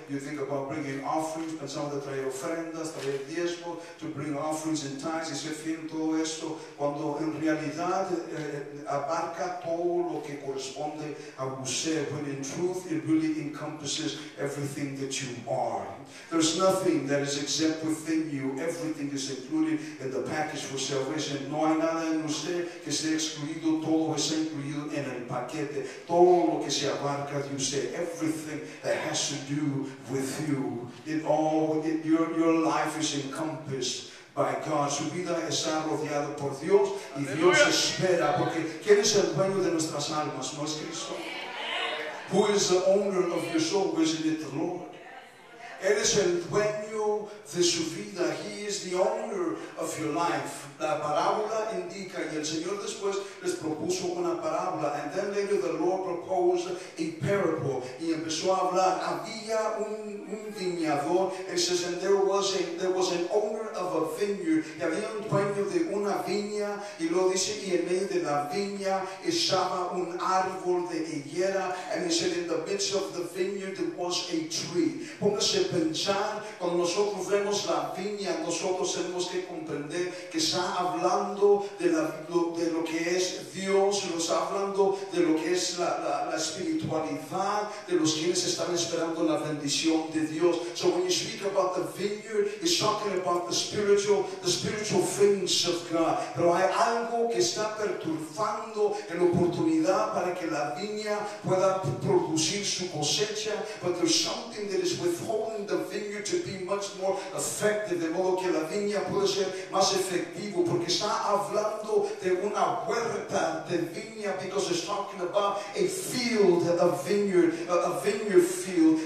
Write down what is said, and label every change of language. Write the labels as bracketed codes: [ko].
[en] You think about bringing offerings, [es] pensamos de traer ofrendas, traer diezmos, [en] to bring offerings and tithes, [es] y se fin todo esto, cuando en realidad abarca todo lo que corresponde a usted. [en] When in truth, it really encompasses everything that you are. There's nothing that is exempt within you. Everything is included in the package for salvation. [es] No hay nada en usted que esté excluido. Todo está incluido en el paquete. Todo lo que se abarca de usted. Everything [en] that has to do with you. Your life is encompassed by God. [es] Su vida está rodeada por Dios y Dios espera, porque ¿quién es el dueño de nuestras almas? ¿No es Cristo? [en] Who is the owner of your soul? Isn't it the Lord? [es] Él es el dueño de su vida. [en] He is the owner of your life. [es] La parábola indica, y el Señor después les propuso una parábola. [en] And then later the Lord proposed a parable. [es] Y empezó a hablar. Había un viñador. [en] It says, and there was an owner of a vineyard. [es] Y había un dueño de una viña. Y lo dice, y en medio de la viña estaba un árbol de higuera. [en] And he said, in the midst of the vineyard there was a tree. [es] Póngase a pensar, cuando nosotros vemos la viña, nosotros tenemos que comprender que está hablando de lo que es Dios, nos está hablando de lo que es la espiritualidad de los quienes están esperando la bendición de Dios. [en] So when you speak about the vineyard, it's talking about the spiritual things of God. [es] Pero hay algo que está perturbando la oportunidad para que la viña pueda producir su cosecha. [en] But there's something that is withholding the vineyard to be much more effective, [es] de modo que la viña puede ser más efectiva. Porque está hablando de una huerta de viña, [en] because it's talking about a field, a vineyard field.